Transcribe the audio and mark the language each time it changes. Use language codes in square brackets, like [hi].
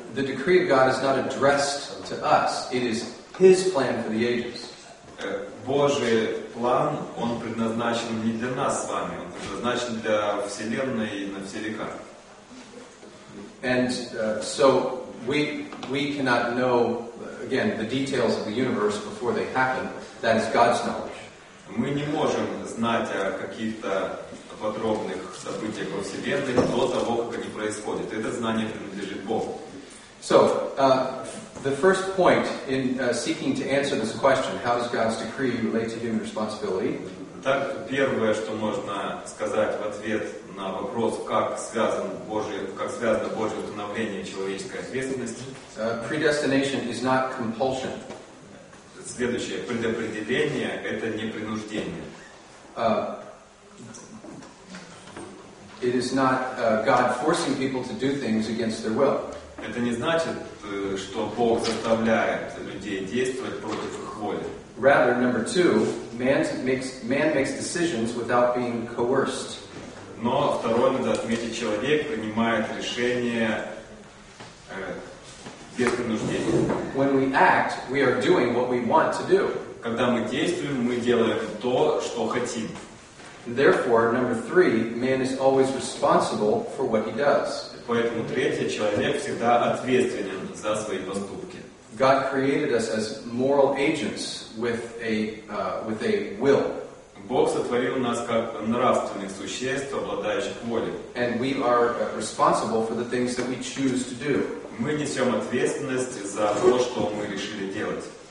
[en] The decree of God is not addressed to us. It is His plan for the ages. [ru] Божий план, он предназначен не для нас с вами, он предназначен для Вселенной и на все века. [en] And so We cannot know, again, the details of the universe before they happen. That is God's knowledge. [ru] Мы не можем знать о каких-то подробных событиях во Вселенной до того, как они происходят. Это знание принадлежит Богу. [en] So, the first point in seeking to answer this question, how does God's decree relate to human responsibility? [ru] Так, первое, что можно сказать в ответ на вопрос, как связано Божье установление человеческой ответственности. [en] Predestination is not compulsion. [ru] Следующее. Предопределение — это не принуждение. [en] It is not God forcing people to do things against their will. [ru] Это не значит, что Бог заставляет людей действовать против их воли. [en] Rather, number two, man makes decisions without being coerced. [ru] Но второе, надо отметить, человек принимает решение без принуждения. [en] When we act, we are doing what we want to do. [ru] Когда мы действуем, мы делаем то, что хотим. [en] Therefore, number three, man is always responsible for what he does. [ru] Поэтому третье, человек всегда ответственен за свои поступки. [en] God created us as moral agents with a will. [ru] Бог сотворил нас как нравственных существ, обладающих волей. [en] And we are responsible for the things that we choose to do. [ru] Мы несем ответственность за то, что мы решили делать.